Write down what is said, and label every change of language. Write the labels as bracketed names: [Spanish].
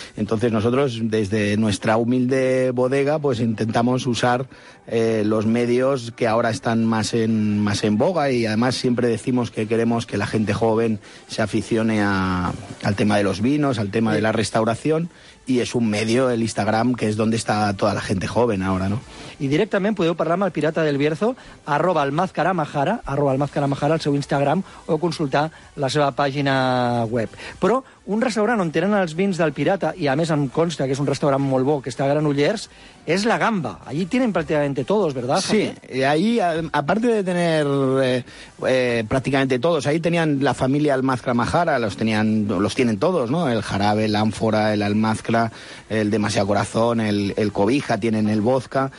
[Spanish] Entonces nosotros, desde nuestra humilde bodega, pues intentamos usar los medios que ahora están más en boga, y además siempre decimos que queremos que la gente joven se aficione al tema de los vinos, al tema de la restauración, y es un medio, el Instagram, que es donde está toda la gente joven ahora, ¿no? [Catalan] Y directamente puedo parlar al Pirata del Bierzo, @almazcaramajara, al seu Instagram, o consultar la seva pàgina web. Però un restaurant on tenen els vins del Pirata, i a més em consta que és un restaurant molt bo, que està a Granollers, és La Gamba. [Spanish] Allí tienen prácticamente todos, ¿verdad, Javier? Sí, y ahí, aparte de tener prácticamente todos, ahí tenían la familia Almaz Calamajara, los tienen todos, ¿no? El jarabe, el ánfora, el almazcra, el Demasiado Corazón, el cobija, tienen el vodka.